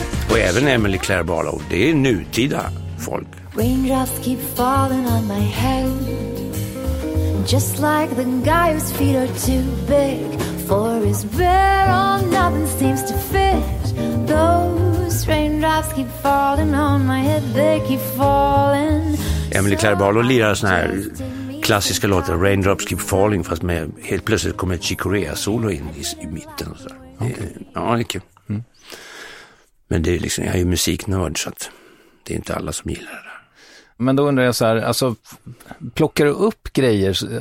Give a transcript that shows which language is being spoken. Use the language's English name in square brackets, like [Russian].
[Swedish] Och även Emily Claire Barlow, det är nutida folk. [English] Raindrops keep falling on my head, just like the guy whose feet are too big for his bed. All nothing seems to fit. Those raindrops keep falling on my head, they keep falling. [Swedish] Emily Claire Barlow lirar såna här klassiska låtar, Raindrops Keep Falling, fast med helt plötsligt kommer ett Chick Corea solo in i mitten och så. [English] Okay. [Swedish] Ja, det är kul. Men det är liksom, jag är ju musiknörd, så att det är inte alla som gillar det. Men då undrar jag så här, alltså, plockar du upp grejer?